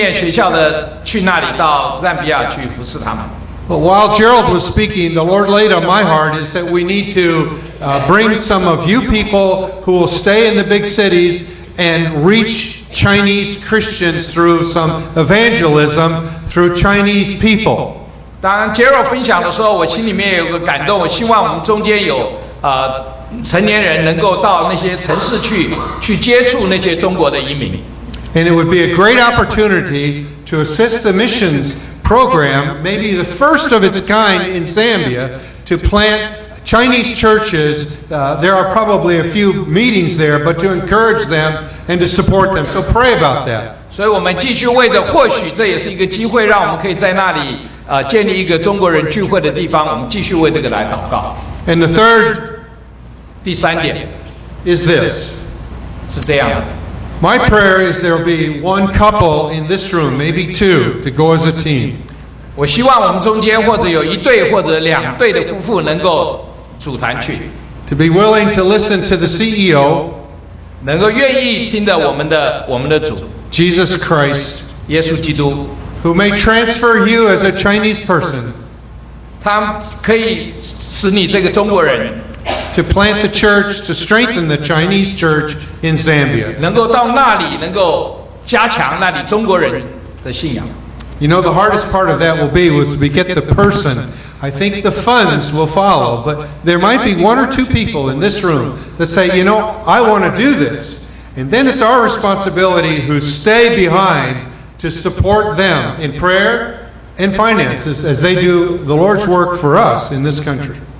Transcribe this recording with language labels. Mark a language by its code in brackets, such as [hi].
[zh] 我也希望有一些年轻人能够带着这个暑期圣经训练学校的去那里到赞比亚去服侍他们。 [en] But while Gerald was speaking, the Lord laid on my heart is that we need to bring some of you people who will stay in the big cities and reach Chinese Christians through some evangelism through Chinese people. [zh] 当Gerald分享的时候,我心里面有个感动,我希望我们中间有成年人能够到那些城市去接触那些中国的移民。 [en] And it would be a great opportunity to assist the missions program, maybe the first of its kind in Zambia, to plant Chinese churches. There are probably a few meetings there, but to encourage them and to support them. So pray about that. So we continue to pray that this is a chance for us to build a Chinese church there. We continue to pray for this. And the third point is this. My prayer is there will be one couple in this room, maybe two, to go as a team. [zh] 我希望我们中间或者有一对或者两对的夫妇能够组团去, [en] to be willing to listen to the CEO, [zh] 能够愿意听的我们的主, [en] Jesus Christ, [zh] 耶稣基督, [en] who may transfer you as a Chinese person, [zh] 他可以使你这个中国人, [en] to plant the church, to strengthen the Chinese church in Zambia. [zh] 能够到那里能够加强那里中国人的信仰。 [en] You know, the hardest part of that will be was to get the person. I think the funds will follow, but there might be one or two people in this room that say, you know, I want to do this. And then it's our responsibility who stay behind to support them in prayer and finances as they do the Lord's work for us in this country.